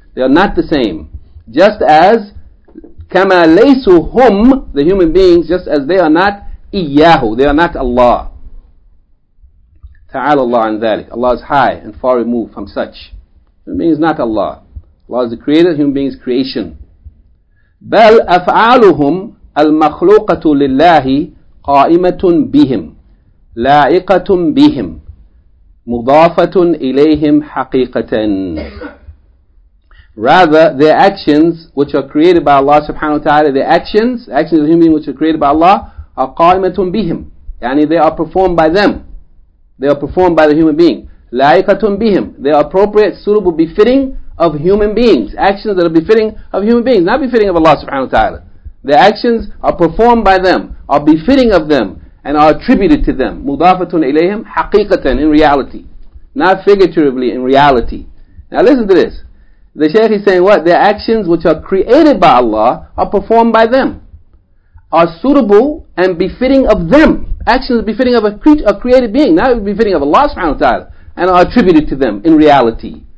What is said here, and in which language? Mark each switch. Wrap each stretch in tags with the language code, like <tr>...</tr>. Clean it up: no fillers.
<en>They are not the same. Just as</en> <ar>كَمَا لَيْسُ هُمْ,</ar> <en>the human beings, just as they are not</en> <ar>إِيَّاهُ,</ar> <en>they are not Allah.</en> <ar>تَعَالَ اللَّهُ عَنْ ذَلِكَ.</ar> <en>Allah is high and far removed from such. Human being is not Allah. Allah is the creator, human being is creation.</en> <ar>بَلْ أَفْعَالُهُمْ المخلوقة لله قائمة بهم لائقة بهم مضافة إليهم حقيقة.</ar> <en>Rather, their actions which are created by Allah subhanahu wa ta'ala, their actions of the human being which are created by Allah, are</en> <ar>قائمة بهم,</ar> <en>yani they are performed by them, they are performed by the human being.</en> <ar>لائقة بهم,</ar> <en>they are appropriate, suitable, befitting of human beings, actions that are befitting of human beings, not befitting of Allah subhanahu wa ta'ala. The actions are performed by them, are befitting of them, and are attributed to them.</en> <ar>مُضَافَةٌ إِلَيْهِمْ حَقِيقَةً,</ar> <en>in reality. Not figuratively, in reality. Now listen to this. The Shaykh is saying what? Their actions which are created by Allah are performed by them, are suitable and befitting of them. actions befitting of a created being, not befitting of Allah subhanahu wa ta'ala, and are attributed to them in reality.</en>